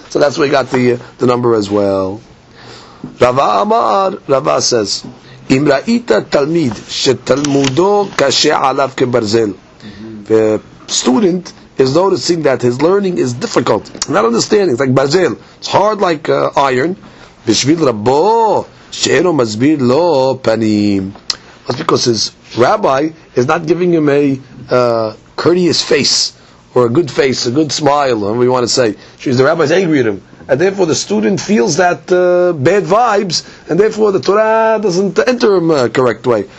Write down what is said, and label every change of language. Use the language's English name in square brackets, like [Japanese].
[English] So that's where he got the number as well. [Hebrew] Rava Amar, [English] Rava says, [Hebrew] אם ראית תלמיד שתלמודו קשה עליו כברזל. [English] The student is noticing that his learning is difficult. Not understanding. It's like ברזל. It's hard like iron. [Hebrew] בשביל רבו שאינו מסביר לו פנים. [English] That's because his rabbi is not giving him a courteous face. Or a good face, a good smile, whatever you want to say. The rabbi is angry at him. And therefore the student feels that bad vibes, and therefore the Torah doesn't enter him correct way.